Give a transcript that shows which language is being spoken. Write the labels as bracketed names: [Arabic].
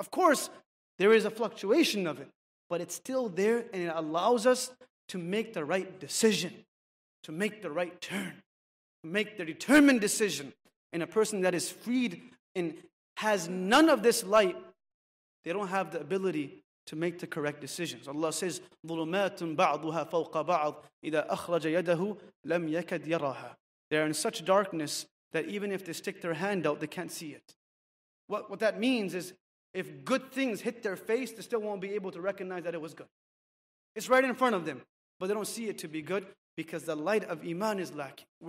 [English] Of course, there is a fluctuation of it, but it's still there and it allows us to make the right decision, to make the right turn, to make the determined decision. And a person that is freed and has none of this light, they don't have the ability to make the correct decisions. Allah says, [Arabic] ظُلُمَاتٌ بَعْضُهَا فَوْقَ بَعْضٍ إِذَا أَخْرَجَ يَدَهُ لَمْ يَكَدْ يَرَاهَا. [English] They are in such darkness that even if they stick their hand out, they can't see it. What that means is, if good things hit their face, they still won't be able to recognize that it was good. It's right in front of them, but they don't see it to be good because the light of iman is lacking.